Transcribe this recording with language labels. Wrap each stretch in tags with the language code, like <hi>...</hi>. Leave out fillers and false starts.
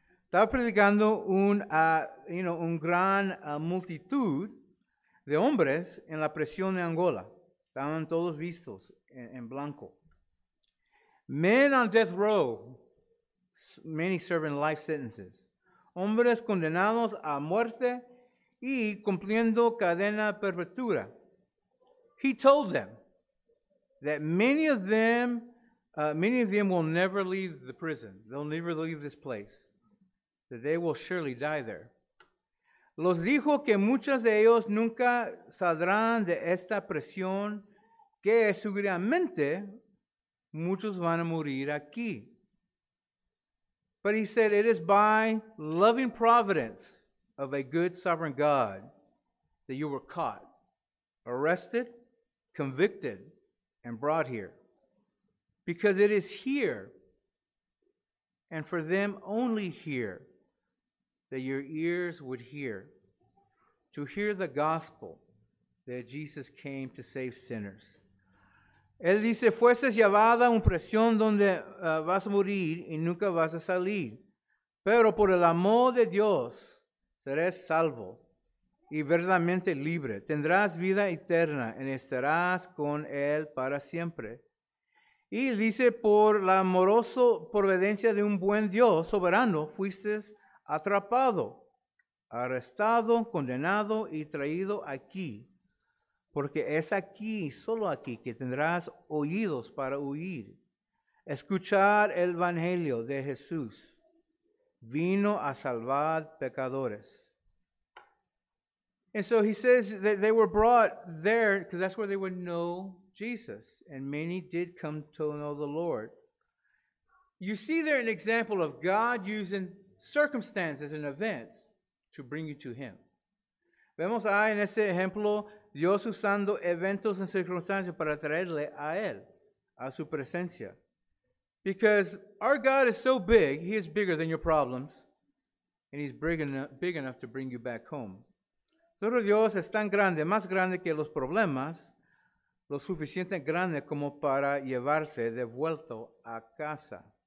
<es>Estaba predicando un gran multitud de hombres en la prisión de Angola. Estaban todos vistos en blanco.</es> <en>Men on death row, many serving life sentences.</en> <es>Hombres condenados a muerte y cumpliendo cadena perpetua.</es> <en>He told them that many of them will never leave the prison. They'll never leave this place. That they will surely die there.</en> <es>Los dijo que muchos de ellos nunca saldrán de esta prisión, que seguramente muchos van a morir aquí.</es> <en>But he said, it is by loving providence of a good sovereign God that you were caught, arrested, convicted, and brought here, because it is here, and for them only here, that your ears would hear, to hear the gospel that Jesus came to save sinners.</en> <es>Él dice, fuese llevada a una prisión donde vas a morir y nunca vas a salir, pero por el amor de Dios serás salvo y verdaderamente libre. Tendrás vida eterna y estarás con él para siempre. Y dice, por la amorosa providencia de un buen Dios soberano, fuiste atrapado, arrestado, condenado y traído aquí. Porque es aquí, solo aquí, que tendrás oídos para oír. Escuchar el Evangelio de Jesús. Vino a salvar pecadores.</es> <en>And so he says that they were brought there because that's where they would know Jesus. And many did come to know the Lord. You see there an example of God using circumstances and events to bring you to him.</en> <es>Vemos ahí en ese ejemplo Dios usando eventos y circunstancias para traerle a él, a su presencia.</es> <en>Because our God is so big, he is bigger than your problems. And he's big enough to bring you back home.</en> <es>Nuestro Dios es tan grande, más grande que los problemas, lo suficiente grande como para llevarte de vuelta a casa.</es>